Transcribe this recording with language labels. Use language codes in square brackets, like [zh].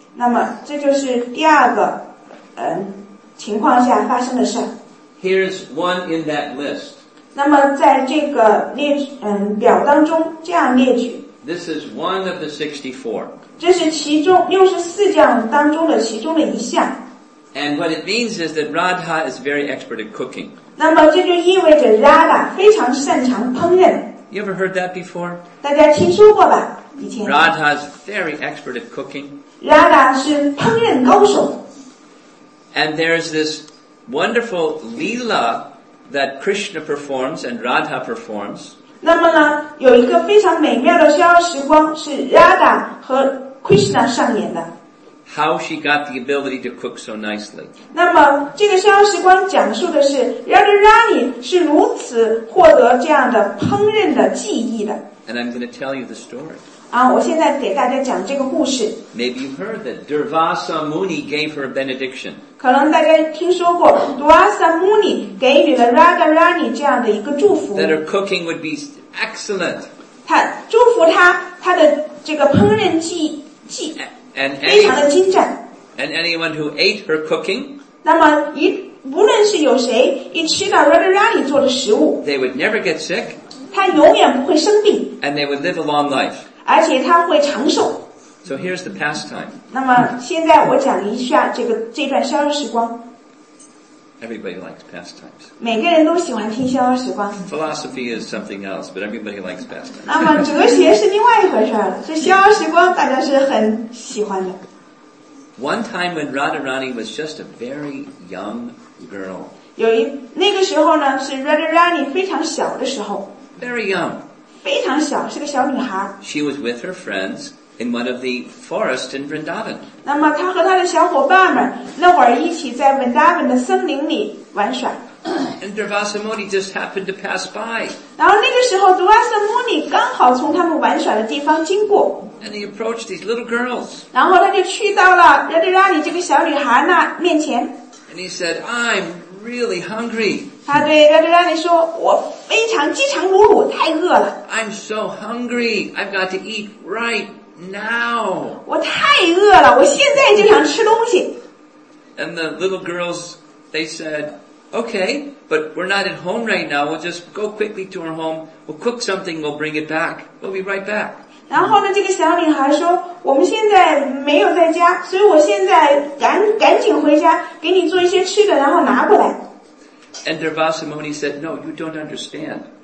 [zh] 那么这就是第二个情况下发生的事。 [en] Here's one in that list. [zh] 那么在这个表当中这样列举。 [en] This is one of the 64. [zh] 这是其中64项当中的其中的一项。 [en] And what it means is that Radha is very expert at cooking. [zh] 那么这就意味着 Radha 非常擅长烹饪。 [en] You ever heard that before? [zh] 大家听说过吧？以前。 [en] Radha is very expert at cooking. [zh] Radha 是烹饪高手。 [en] And there's this wonderful Leela that Krishna performs and Radha performs. [zh] 那么呢，有一个非常美妙的逍遥时光是 Radha 和 Krishna 上演的。 [en] How she got the ability to cook so nicely. [zh] 那么这个逍遥时光讲述的是 Radharani 是如此获得这样的烹饪的技艺的。 [en] And I'm going to tell you the story. [zh] 啊，我现在给大家讲这个故事。 [en] Maybe you heard that Durvasa Muni gave her a benediction. [zh] 可能大家听说过 Durvasa Muni 给予了 Radharani 这样的一个祝福。 [en] That her cooking would be excellent. [zh] 她祝福她她的这个烹饪技。 [en] And anyone who ate her cooking, [zh] 那么一无论是有谁一吃到 Radharani 做的食物 [en] they would never get sick, [zh] 他永远不会生病 [en] and they would live a long life, [zh] 而且他会长寿 [en] So here's the pastime. [zh] 那么现在我讲一下这段逍遥时光 [en] Everybody likes pastimes. [zh] 每个人都喜欢听逍遥时光 [en] Philosophy is something else, but everybody likes pastimes. [zh] 那么哲学是另外一回事儿，这逍遥时光大家是很喜欢的。 [en] One time when Radharani was just a very young girl. [zh] 那个时候呢是 Radharani 非常小的时候。 [en] Very young. [zh] 非常小，是个小女孩。 [en] She was with her friends in one of the forests in Vrindavan. [zh] 那么她和她的小伙伴们那会儿一起在 Vrindavan 的森林里玩耍。 [en] And Durvasa Muni just happened to pass by. [zh] 然后那个时候 Durvasa Muni 刚好从他们玩耍的地方经过。 [en] And he approached these little girls. [zh] 然后他就去到了 Radharani 这个小女孩那面前。 [en] And he said, I'm really hungry. [zh] 他对 Radharani 说我非常饥肠辘辘太饿了。 [en] I'm so hungry. I've got to eat right now. [zh] 我太饿了我现在就想吃东西。 [en] And the little girls, they said, okay, but we're not at home right now. We'll just go quickly to our home. We'll cook something. We'll bring it back. We'll be right back. [zh] 然后呢这个小女孩说我们现在没有在家所以我现在赶紧回家给你做一些吃的然后拿过来。 [en] And Durvasa Muni said, no, you don't understand.